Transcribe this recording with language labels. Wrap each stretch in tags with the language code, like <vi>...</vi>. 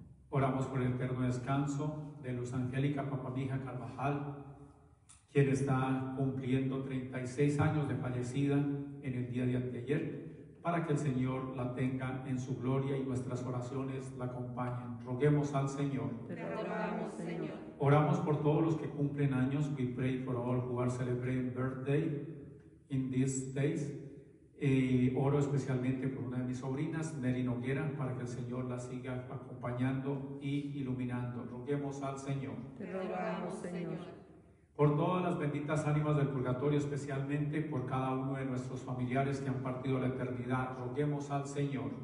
<es>Oramos por el eterno descanso de Luz Angélica Papamija Carvajal, quien está cumpliendo 36 años de fallecida en el día de anteayer, para que el Señor la tenga en su gloria y nuestras oraciones la acompañen. Roguemos al Señor. Te rogamos, Señor. Oramos por todos los que cumplen años.</es> <en>We pray for all who are celebrating birthday in these days.</en> <es>Oro especialmente por una de mis sobrinas, Nelly Noguera, para que el Señor la siga acompañando y iluminando. Roguemos al Señor. Te rogamos, Señor. Por todas las benditas ánimas del purgatorio, especialmente por cada uno de nuestros familiares que han partido a la eternidad, roguemos al Señor.</es>